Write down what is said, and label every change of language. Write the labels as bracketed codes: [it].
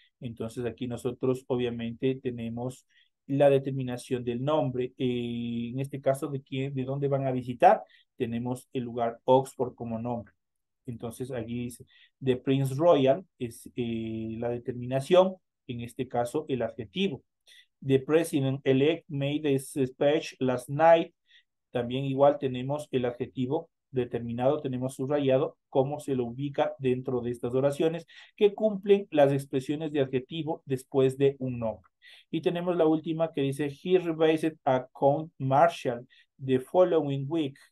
[es] Entonces aquí nosotros obviamente tenemos la determinación del nombre. En este caso, de dónde van a visitar, tenemos el lugar Oxford como nombre. Entonces aquí dice, The Prince Royal es la determinación, en este caso el adjetivo. [en] The President Elect made a speech last night. [es] También igual tenemos el adjetivo determinado, tenemos subrayado cómo se lo ubica dentro de estas oraciones que cumplen las expresiones de adjetivo después de un nombre. Y tenemos la última que dice, [en] He revised a court martial the following week.